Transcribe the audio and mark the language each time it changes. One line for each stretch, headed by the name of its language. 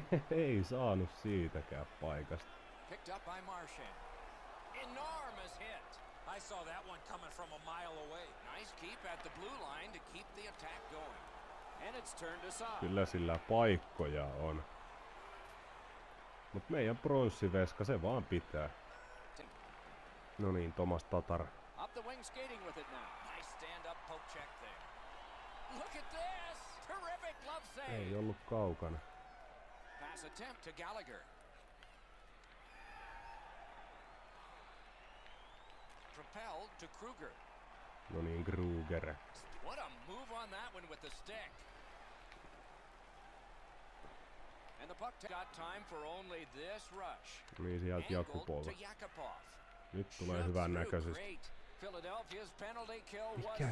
Finnish: Ei saanut siitäkään paikasta.
English: Picked up by Marchand. Enormous hit. I saw that one coming from a mile away. Nice keep at the blue line to keep the attack going. And it's turned aside.
Finnish: Kyllä sillä paikkoja on. Mut meidän pronssiveska, se vaan pitää. No niin, Tomas Tatar.
English: Up the wing skating with it now. Nice stand up poke check there. Look at this. Terrific glove save.
Finnish: Ei ollut kaukana.
English: Pass attempt to Gallagher. lapel to Kruger.
Finnish: No niin, Kruger.
English: What a move on that one with the stick. And the puck got time for only this rush.
Finnish: Niin, sieltä Jakupov. Nyt tulee hyvän näköisesti.
English: Philadelphia's penalty kill was significant.